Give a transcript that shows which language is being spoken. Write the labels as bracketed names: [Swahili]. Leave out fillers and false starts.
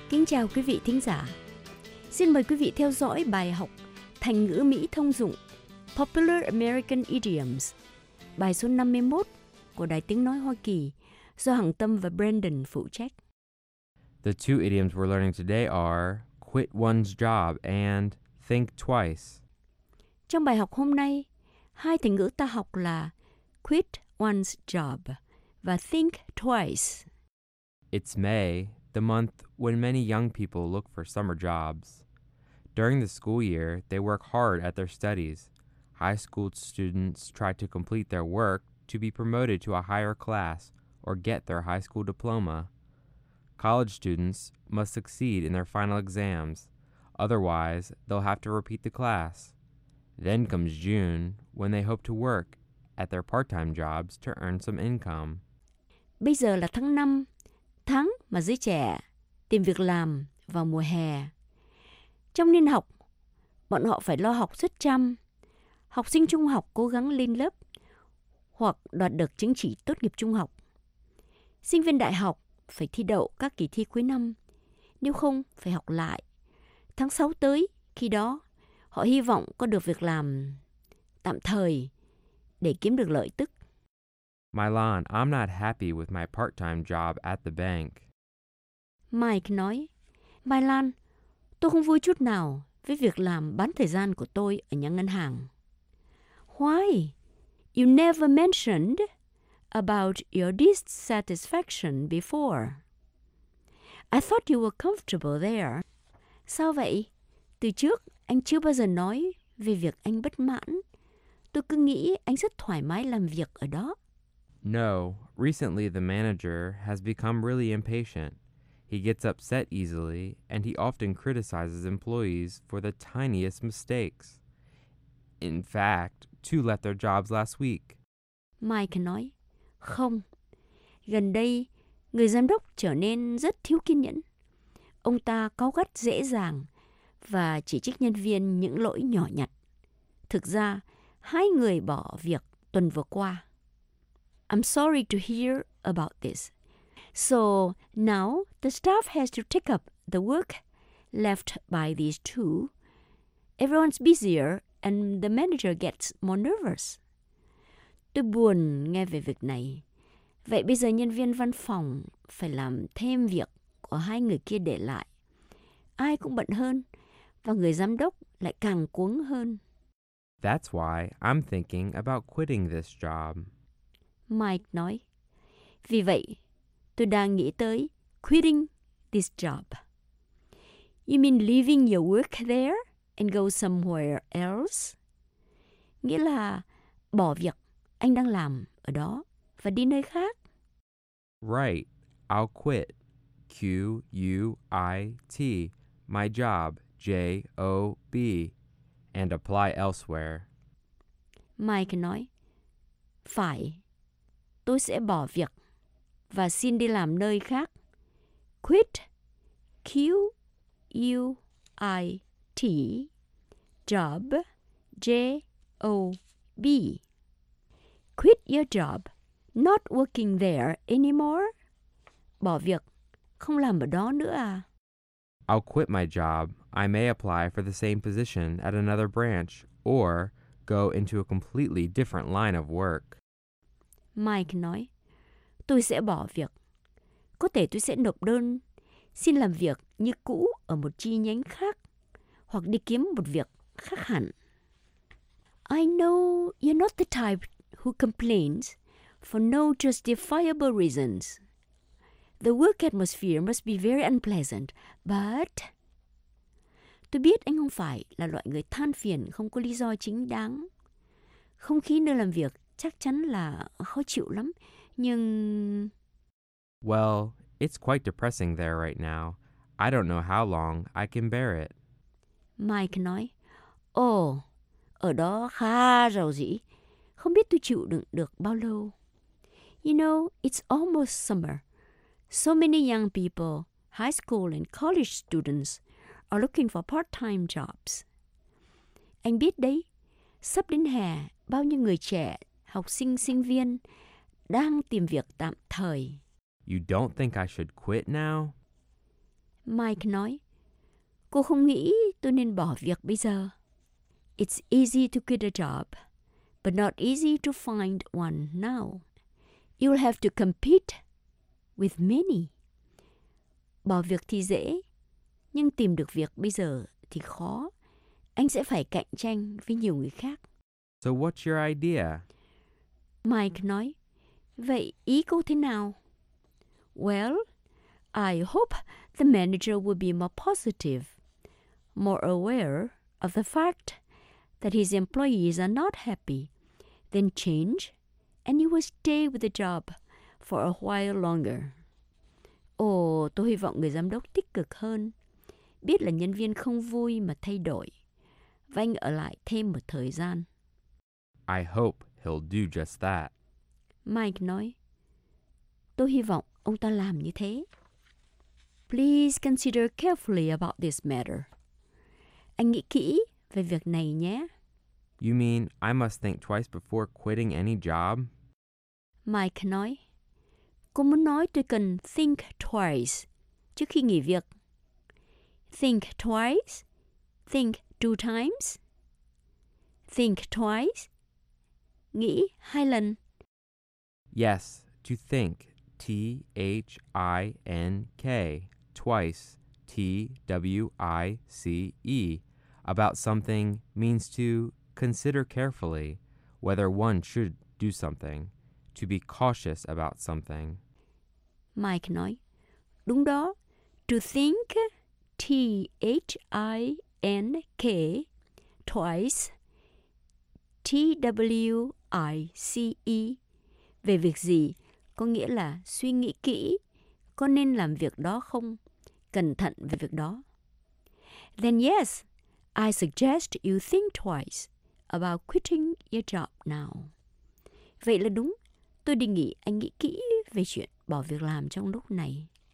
[Vietnamese] Chào quý vị thính giả. Xin mời quý vị theo dõi bài học thành ngữ Mỹ thông dụng [English] Popular American Idioms, [Vietnamese] bài số 51 của Đài Tiếng Nói Hoa Kỳ do Hằng Tâm và Brandon phụ trách. [English] The two idioms we're learning today are quit one's job and think twice. [Vietnamese] Trong bài học hôm nay, hai thành ngữ ta học là [English] quit one's job [Vietnamese] và [English] think twice. It's May, the month when many young people look for summer jobs. During the school year, they work hard at their studies. High school students try to complete their work to be promoted to a higher class or get their high school diploma. College students must succeed in their final exams, otherwise they'll have to repeat the class. Then comes June, when they hope to work at their part-time jobs to earn some income. [Vietnamese] Bây giờ là tháng 5. Tháng mà giới trẻ tìm việc làm vào mùa hè. Trong niên học, bọn họ phải lo học suất chăm. Học sinh trung học cố gắng lên lớp hoặc đoạt được chứng chỉ tốt nghiệp trung học. Sinh viên đại học phải thi đậu các kỳ thi cuối năm, nếu không phải học lại. Tháng 6 tới, khi đó, họ hy vọng có được việc làm tạm thời để kiếm được lợi tức. [English] Mylon, I'm not happy with my part-time job at the bank. [Vietnamese] Mike nói, Mylon, tôi không vui chút nào với việc làm bán thời gian của tôi ở nhà ngân hàng. [English] Why? You never mentioned about your dissatisfaction before. I thought you were comfortable there. [Vietnamese] Sao vậy? Từ trước, anh chưa bao giờ nói về việc anh bất mãn. Tôi cứ nghĩ anh rất thoải mái làm việc ở đó. [English] No, recently the manager has become really impatient. He gets upset easily, and he often criticizes employees for the tiniest mistakes. In fact, two left their jobs last week. [Vietnamese] Mike nói, không. Gần đây, người giám đốc trở nên rất thiếu kiên nhẫn. Ông ta cáu gắt dễ dàng và chỉ trích nhân viên những lỗi nhỏ nhặt. Thực ra, hai người bỏ việc tuần vừa qua. [English] I'm sorry to hear about this. So now the staff has to take up the work left by these two. Everyone's busier and the manager gets more nervous. [Vietnamese] Tôi buồn nghe về việc này. Vậy bây giờ nhân viên văn phòng phải làm thêm việc của hai người kia để lại. Ai cũng bận hơn và người giám đốc lại càng cuống hơn. [English] That's why I'm thinking about quitting this job. [Vietnamese] Mike nói, vì vậy, tôi đang nghĩ tới [English] quitting this job. You mean leaving your work there and go somewhere else? [Vietnamese] Nghĩa là bỏ việc anh đang làm ở đó và đi nơi khác. [English] Right, I'll quit. Q-U-I-T, my job, J-O-B, and apply elsewhere. [Vietnamese] Mike nói, phải. Tôi sẽ bỏ việc và xin đi làm nơi khác. [English] Quit, Q-U-I-T, job, J-O-B. job. Quit your job. Not working there anymore. [Vietnamese] Bỏ việc. Không làm ở đó nữa à? [English] I'll quit my job. I may apply for the same position at another branch or go into a completely different line of work. [Vietnamese] Mike nói, tôi sẽ bỏ việc. Có thể tôi sẽ nộp đơn xin làm việc như cũ ở một chi nhánh khác hoặc đi kiếm một việc khác hẳn. [English] I know you're not the type who complains for no justifiable reasons. The work atmosphere must be very unpleasant, but... [Vietnamese] Tôi biết anh không phải là loại người than phiền không có lý do chính đáng. Không khí nơi làm việc chắc chắn là khó chịu lắm, nhưng... [English] Well, it's quite depressing there right now. I don't know how long I can bear it. [Vietnamese] Mike nói, ở đó khá rầu rĩ. Không biết tôi chịu đựng được bao lâu. [English] You know, it's almost summer. So many young people, high school and college students, are looking for part-time jobs. [Vietnamese] Anh biết đấy, sắp đến hè, bao nhiêu người trẻ, học sinh, sinh viên đang tìm việc tạm thời. [English] You don't think I should quit now? [Vietnamese] Mike nói, cô không nghĩ tôi nên bỏ việc bây giờ. [English] It's easy to quit a job, but not easy to find one now. You'll have to compete with many. [Vietnamese] Bỏ việc thì dễ, nhưng tìm được việc bây giờ thì khó. Anh sẽ phải cạnh tranh với nhiều người khác. [English] So what's your idea? [Vietnamese] Mike nói, vậy ý cô thế nào? [English] Well, I hope the manager will be more positive, more aware of the fact that his employees are not happy. Then change, and you will stay with the job for a while longer. [Vietnamese] Tôi hy vọng người giám đốc tích cực hơn. Biết là nhân viên không vui mà thay đổi. Và anh ở lại thêm một thời gian. [English] I hope he'll do just that. [Vietnamese] Mike nói, tôi hy vọng ông ta làm như thế. [English] Please consider carefully about this matter. [Vietnamese] Anh nghĩ kỹ về việc này nhé. [English] You mean I must think twice before quitting any job? [Vietnamese] Mike nói, cô muốn nói tôi cần [English] think twice [Vietnamese] trước khi nghỉ việc. [English] Think twice? Think two times? Think twice? [Vietnamese] Nghĩ hai lần. [English] Yes, to think. T-H-I-N-K. Twice. T-W-I-C-E. About something means to consider carefully whether one should do something. To be cautious about something. [Vietnamese] Mike nói, đúng đó, [English] to think, T-H-I-N-K, twice, T-W-I-C-E, [Vietnamese] về việc gì, có nghĩa là suy nghĩ kỹ, có nên làm việc đó không, cẩn thận về việc đó. [English] Then yes, I suggest you think twice about quitting your job now. [Vietnamese] Vậy là đúng, tôi đề nghị anh nghĩ kỹ về chuyện bỏ việc làm trong lúc này.